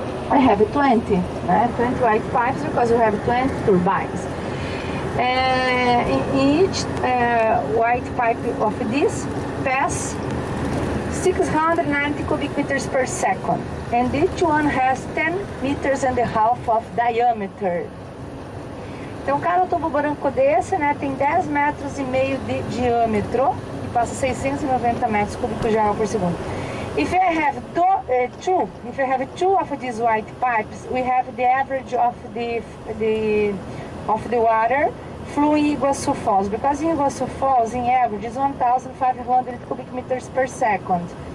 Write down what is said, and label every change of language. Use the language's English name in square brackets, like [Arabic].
[English] I have 20, né? 20 white pipes because we have 20 turbines. In each white pipe of this pass 690 cubic meters per second. And each one has 10 meters and a half of diameter. [Portuguese] Então, cara, um tubo branco desse, né, tem 10 metros e meio de diâmetro e passa 690 metros cúbicos de água por segundo. [English] If I have two of these white pipes, we have the average of the water flowing in Iguaçu Falls. Because in Iguaçu Falls, in average, is 1,500 cubic meters per second.